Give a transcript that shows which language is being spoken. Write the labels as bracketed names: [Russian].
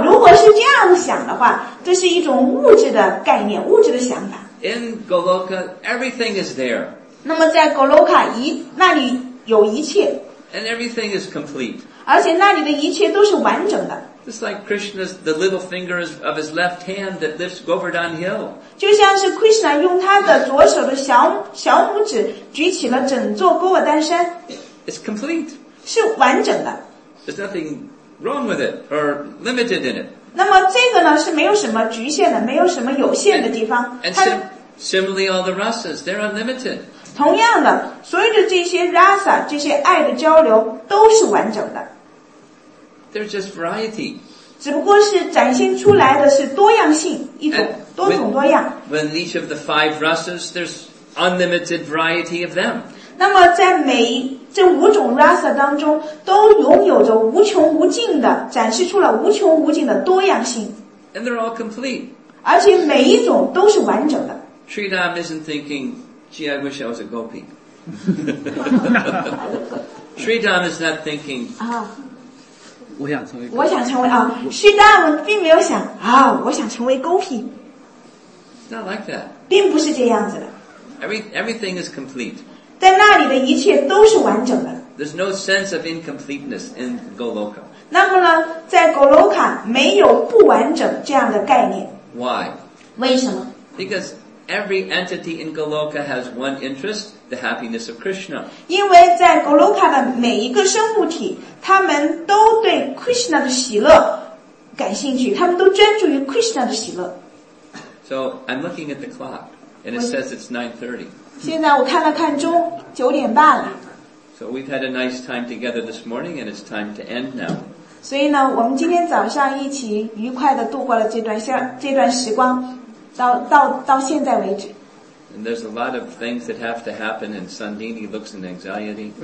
[Chinese] 哦，如果是这样想的话，这是一种物质的概念，物质的想法。 [English] In Goloka, everything is there. [Chinese] 那么在 Goloka 那里有一切。 [English] And everything is complete. [Chinese] 而且那里的一切都是完整的。 [English] It's like Krishna's the little fingers of his left hand that lifts Govardhan Hill. [Chinese] 就像是 Krishna 用他的左手的小拇指举起了整座 Govardhan 山。 [English] It's complete. [Chinese] 是完整的。 [English] There's nothing wrong with it or limited in it. [Chinese] 那么这个呢是没有什么局限的，没有什么有限的地方。 [English] Similarly, all the rasas, they're unlimited. [Chinese] 同样的，所有的这些 rasa, 这些爱的交流都是完整的。 [English] They're just variety. [Chinese] 只不过是展现出来的是多样性，一种多种多样。 [English] When each of the five rasas, there's unlimited variety of them. [Chinese] 那么在每这五种 rasa 当中，都拥有着无穷无尽的，展示出了无穷无尽的多样性。 [English] And they're all complete. [Chinese] 而且每一种都是完整的。 [English] Sridham isn't thinking, gee, I wish I was a gopi. Sridham is not thinking, [Chinese] 我想成为啊。Sridham 并没有想啊，我想成为 gopi. [English] Not like that. [Chinese] 并不是这样子的。 [English] Everything is complete. [Chinese] 在那里的一切都是完整的。 [English] There's no sense of incompleteness in Goloka. [Chinese] 那么呢，在 Goloka 没有不完整这样的概念。 [English] Why? [Chinese] 为什么？ [English] Because every entity in Goloka has one interest, the happiness of Krishna. [Chinese] 因为在 Goloka 的每一个生物体，他们都对 Krishna 的喜乐感兴趣，他们都专注于 Krishna 的喜乐。 [English] So I'm looking at the clock, and it says it's 9:30. [Chinese] 现在我看了看钟，九点半了。 [English] So we've had a nice time together this morning, and it's time to end now. [Chinese] 所以呢，我们今天早上一起愉快地度过了这段时光。到现在为止。 [English] And there's a lot of things that have to happen, and Sandini looks in anxiety.